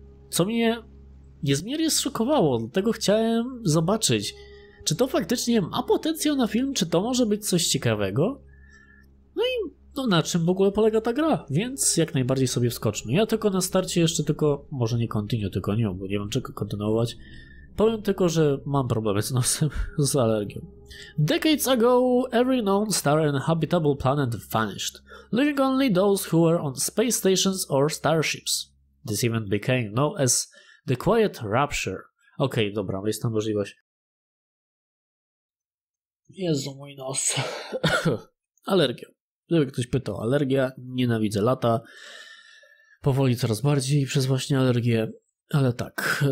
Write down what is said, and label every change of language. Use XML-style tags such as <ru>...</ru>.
<pl>Co mnie niezmiernie zszokowało, dlatego chciałem zobaczyć, czy to faktycznie ma potencjał na film, czy to może być coś ciekawego. No i no, na czym w ogóle polega ta gra, więc jak najbardziej sobie wskoczmy. Ja tylko na starcie jeszcze tylko, może nie continue, tylko nie, bo nie wiem czego kontynuować. Powiem tylko, że mam problemy z nosem, z alergią.</pl> <en>Decades ago, every known star and habitable planet vanished, leaving only those who were on space stations or starships. This event became known as the Quiet Rapture.</en> <pl>Okej, okay, dobra, jest tam możliwość. Jezu, mój nos. Alergia. Gdyby ktoś pytał, alergia, nienawidzę lata. Powoli coraz bardziej przez właśnie alergię, ale tak.</pl>